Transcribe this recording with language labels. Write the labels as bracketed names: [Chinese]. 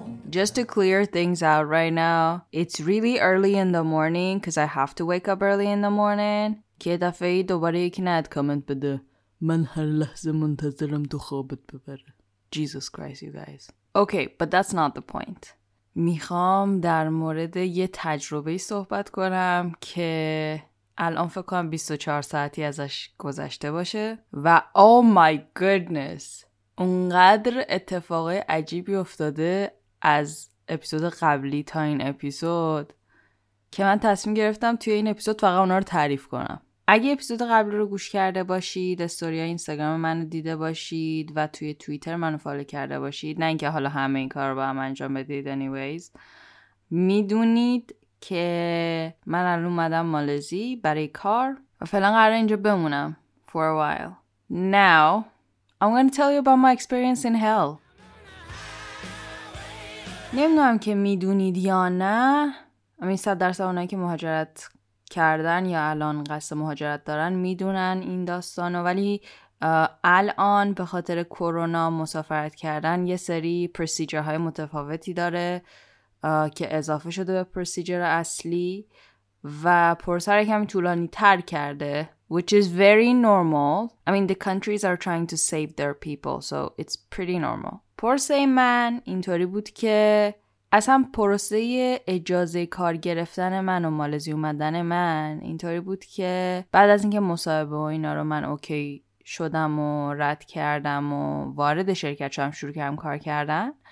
[English] Just to clear things out right now, it's really early in the morning because I have to wake up early in the morning. [Persian] که دفعه دوباره یکی نهت کامنت بده من هر لحظه منتظرم تو خوابت ببره. [English] Jesus Christ, you guys. Okay, but that's not the point. [Persian] میخوام در مورد یه تجربه صحبت کنم که الان فکر کنم 24 ساعتی ازش گذشته باشه و [English] oh my goodness, [Persian] اونقدر اتفاق عجیبی افتاده از اپیزود قبلی تا این اپیزود که من تصمیم گرفتم توی این اپیزود فقط اونا رو تعریف کنم. اگه اپیزود قبلی رو گوش کرده باشید، استوری اینستاگرام منو دیده باشید و توی توییتر منو فالو کرده باشید، نه اینکه حالا همه این کار رو با هم انجام بدید anyways، میدونید که من الان اومدم مالزی برای کار و فعلا قراره اینجا بمونم [English] for a while. Now I'm going to tell you about my experience in hell. [Persian] نمیدونم که میدونید یا نه، امین 100% اونایی که مهاجرت کردن یا الان قصد مهاجرت دارن میدونن این داستانو، ولی الان به خاطر کرونا مسافرت کردن یه سری پروسیجرهای متفاوتی داره که اضافه شده به پروسیجر اصلی و پروسه رو کمی طولانی تر کرده، [English] which is very normal. I mean the countries are trying to save their people, so it's pretty normal. [Persian] پروسه من اینطوری بود که اصلا پروسه اجازه کار گرفتن من و مالزی اومدن من اینطوری بود که بعد از اینکه مصاحبه و اینا رو من اوکی شدم و رد کردم و وارد شرکت شدم شروع کردم کار کردن،